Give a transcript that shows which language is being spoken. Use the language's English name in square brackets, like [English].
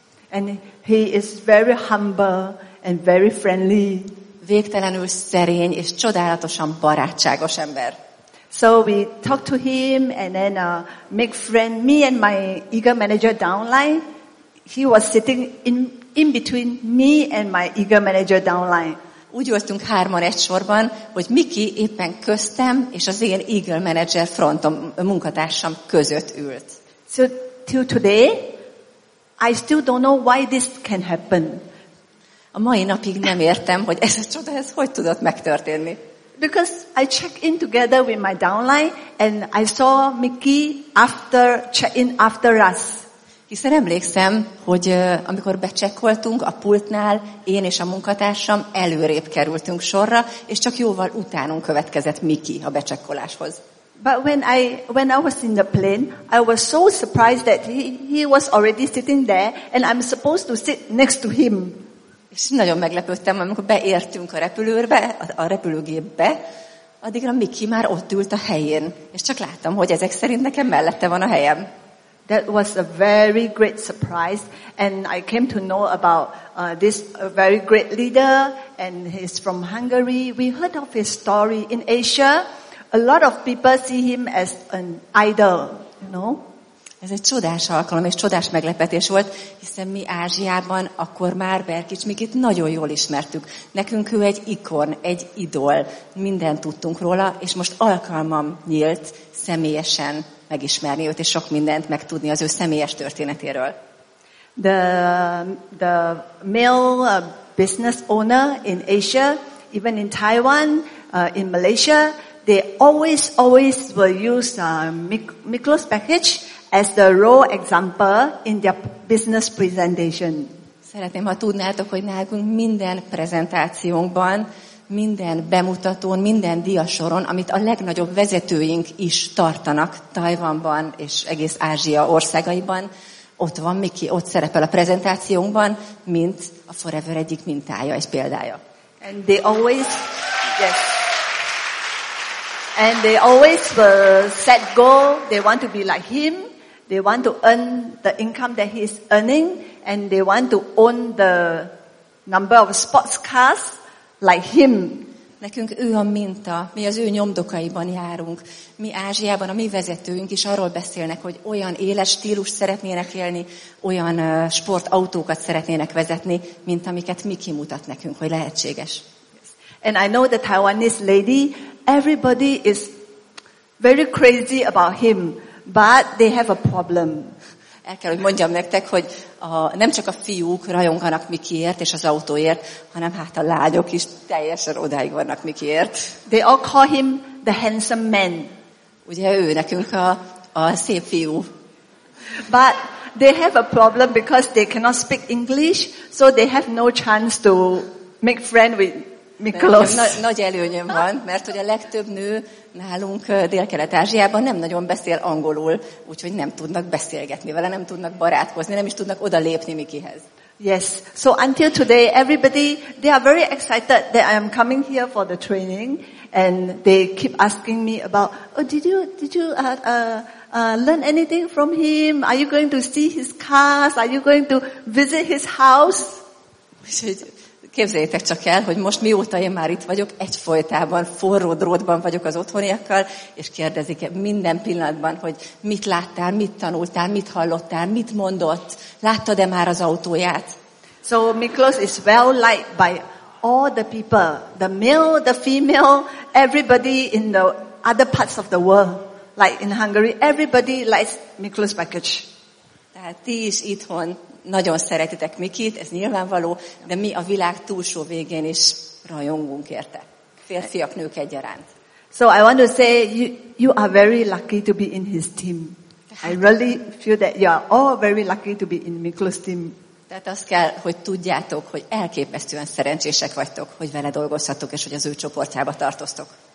[English] And he is very humble and very friendly. [Hungarian] Végtelenül szerény és csodálatosan barátságos ember. [English] So we talked to him and then make friend. Me and my Eagle manager downline. He was sitting in between me and my Eagle manager downline. [Hungarian] Úgy ültünk hárman egy sorban, hogy Miki éppen köztem és az én Eagle Manager frontom, munkatársam között ült. [English] So till today, I still don't know why this can happen. [Hungarian] A mai napig nem értem, hogy ez a csoda, ez hogy tudott megtörténni. [English] Because I check in together with my downline and I saw Miki after check in after us. [Hungarian] Hiszen emlékszem, hogy amikor becsekkoltunk a pultnál, én és a munkatársam előrébb kerültünk sorra, és csak jóval utánunk következett Miki a becsekkoláshoz. [English] But when I was in the plane, I was so surprised that he was already sitting there, and I'm supposed to sit next to him. [Hungarian] És nagyon meglepődtem, amikor beértünk a repülőbe, a repülőgépbe, addigra Miki már ott ült a helyén, és csak láttam, hogy ezek szerint nekem mellette van a helyem. [English] That was a very great surprise, and I came to know about this very great leader, and he's from Hungary. We heard of his story in Asia. A lot of people see him as an idol, you know. [Hungarian] Ez egy csodás alkalom és csodás meglepetés volt, hiszen mi Ázsiában akkor már Berkic Mikit nagyon jól ismertük. Nekünk ő egy ikon, egy idol, mindent tudtunk róla, és most alkalmam nyílt személyesen megismerni őt, és sok mindent megtudni az ő személyes történetéről. [English] The male business owner in Asia, even in Taiwan, in Malaysia, they always will use Miklós Bekic as the role example in their business presentation. [Hungarian] Szeretném, ha tudnátok, hogy nálunk minden prezentációnkban, minden bemutatón, minden diasoron, amit a legnagyobb vezetőink is tartanak Tajvanban és egész Ázsia országaiban, Ott van Miki, ott szerepel a prezentációnkban, mint a Forever egyik mintája és példája. [English] And they always, yes. And they always will set goal. They want to be like him. They want to earn the income that he is earning, and they want to own the number of sports cars like him. [Hungarian] Nekünk ő a minta, mi az ő nyomdokaiban járunk. Mi Ázsiában, a mi vezetőink is arról beszélnek, hogy olyan életstílus szeretnének élni, olyan sportautókat szeretnének vezetni, mint amiket mi kimutat nekünk, hogy lehetséges. [English] And I know the Taiwanese lady, everybody is very crazy about him, but they have a problem. [Hungarian] El kell, hogy mondjam nektek, hogy nem csak a fiúk rajonganak Mikiért és az autóért, hanem hát a lányok is teljesen odáig vannak Mikiért. [English] They all call him the handsome man. [Hungarian] Ugye ő nekünk a szép fiú. [English] But they have a problem because they cannot speak English, so they have no chance to make friend with Miklós. [Hungarian] Nagy előnyöm van, mert hogy a legtöbb nő nálunk Dél-Kelet-Ázsiában nem nagyon beszél angolul, úgyhogy nem tudnak beszélgetni vele, nem tudnak barátkozni, nem is tudnak oda lépni Mikihez. [English] Yes, so until today, everybody, they are very excited that I am coming here for the training, and they keep asking me about, oh, did you learn anything from him? Are you going to see his cars? Are you going to visit his house? [Hungarian] Képzeljétek csak el, hogy most mióta én már itt vagyok, egyfolytában forró drótban vagyok az otthoniakkal, és kérdezik minden pillanatban, hogy mit láttál, mit tanultál, mit hallottál, mit mondott, láttad-e már az autóját? [English] So Miklós is well liked by all the people, the male, the female, everybody in the other parts of the world, like in Hungary, everybody likes Miklós Bakics. [Hungarian] Tehát ti is itthon nagyon szeretitek Mikit, ez nyilvánvaló, de mi a világ túlsó végén is rajongunk érte. Férfiak, nők egyaránt. [English] So I want to say you are very lucky to be in his team. I really feel that you are all very lucky to be in Miklós team. [Hungarian] Tehát azt kell, hogy tudjátok, hogy elképesztően szerencsések vagytok, hogy vele dolgozhattok, és hogy az ő csoportjába tartoztok.